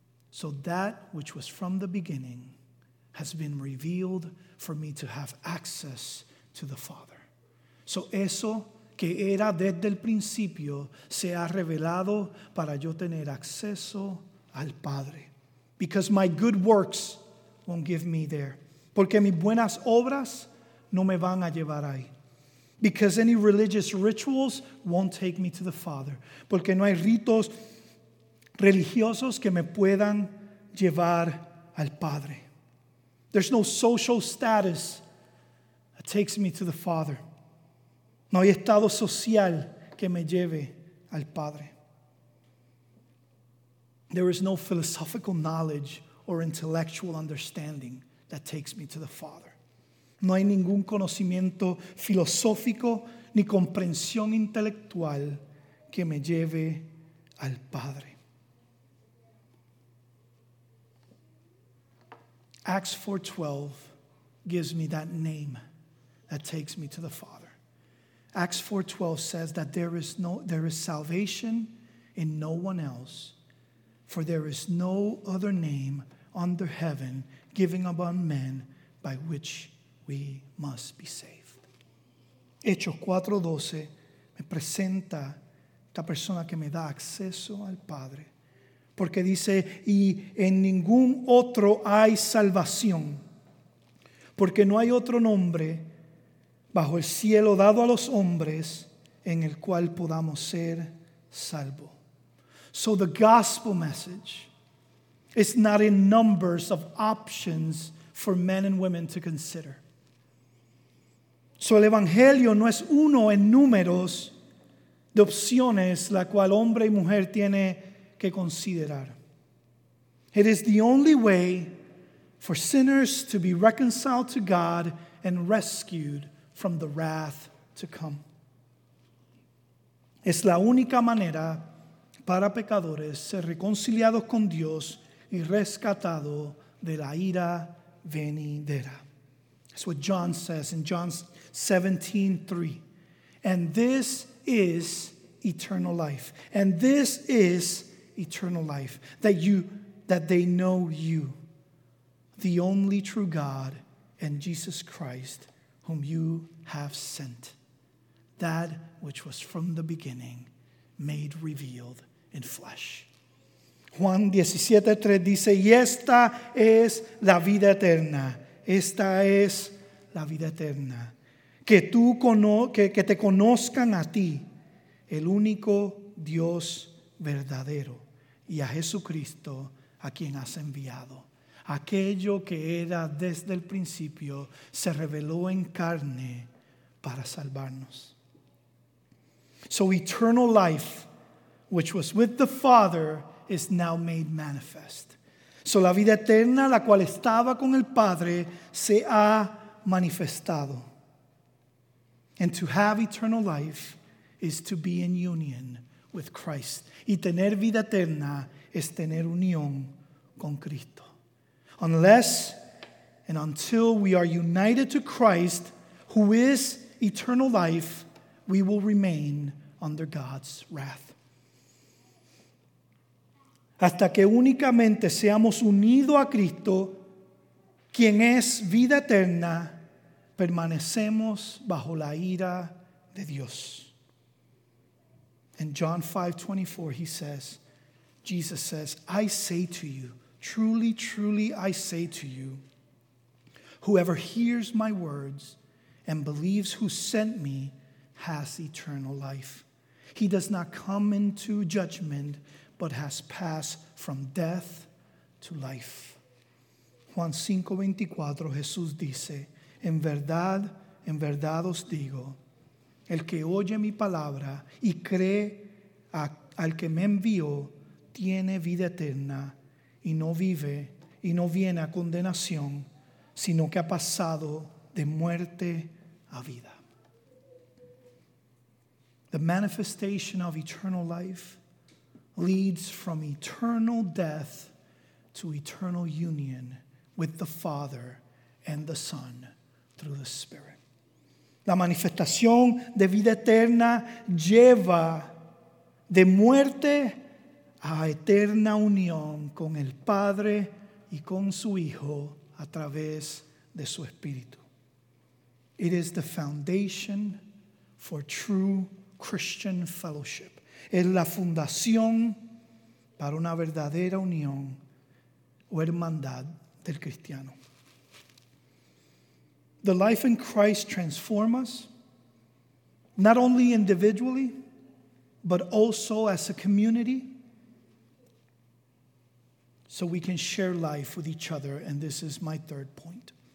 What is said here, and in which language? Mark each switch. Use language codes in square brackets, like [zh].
[en] So that which was from the beginning has been revealed for me to have access to the Father. [es] So eso que era desde el principio se ha revelado para yo tener acceso al Padre. [en] Because my good works won't give me there. [es] Porque mis buenas obras no me van a llevar ahí. [en] Because any religious rituals won't take me to the Father. [es] Porque no hay ritos religiosos que me puedan llevar al Padre. [en] There's no social status that takes me to the Father. [es] No hay estado social que me lleve al Padre. [en] There is no philosophical knowledge or intellectual understanding that takes me to the Father. [es] No hay ningún conocimiento filosófico ni comprensión intelectual que me lleve al Padre. [en] Acts 4:12 gives me that name that takes me to the Father. Acts 4:12 says that there is salvation in no one else. For there is no other name under heaven given among men by which we must be saved. [es] Hechos 4:12 me presenta esta persona que me da acceso al Padre. Porque dice, y en ningún otro hay salvación. Porque no hay otro nombre bajo el cielo dado a los hombres en el cual podamos ser salvos. [en] So the gospel message is not in numbers of options for men and women to consider. [es] So el evangelio no es uno en números de opciones la cual hombre y mujer tiene que considerar. [en] It is the only way for sinners to be reconciled to God and rescued from the wrath to come. [es] Es la única manera para pecadores ser reconciliados con Dios y rescatado de la ira venidera. [en] That's what John says in John 17:3. And this is eternal life. And this is eternal life, that they know you, the only true God, and Jesus Christ, whom you have sent. That which was from the beginning, made revealed in flesh. [es] Juan 17:3 dice, y esta es la vida eterna. Esta es la vida eterna. Que te conozcan a ti, el único Dios verdadero, y a Jesucristo a quien has enviado. Aquello que era desde el principio se reveló en carne para salvarnos. [en] So eternal life, which was with the Father, is now made manifest. [es] So la vida eterna, la cual estaba con el Padre, se ha manifestado. [en] And to have eternal life is to be in union with Christ. [es] Y tener vida eterna es tener unión con Cristo. [en] Unless and until we are united to Christ, who is eternal life, we will remain under God's wrath. [es] Hasta que únicamente seamos unidos a Cristo, quien es vida eterna, permanecemos bajo la ira de Dios. [en] In John 5:24, Jesus says, I say to you, truly, truly, I say to you, whoever hears my words and believes who sent me has eternal life. He does not come into judgment, but has passed from death to life. [es] Juan 5:24, Jesús dice, en verdad os digo, el que oye mi palabra y cree al que me envió tiene vida eterna y no vive y no viene a condenación, sino que ha pasado de muerte a vida. [en] The manifestation of eternal life leads from eternal death to eternal union with the Father and the Son through the Spirit. [es] La manifestación de vida eterna lleva de muerte a eterna unión con el Padre y con su Hijo a través de su Espíritu. [en] It is the foundation for true Christian fellowship. [es] Es la fundación para una verdadera unión o hermandad del cristiano. [en] The life in Christ transforms us, not only individually, but also as a community, so we can share life with each other. And this is my third point.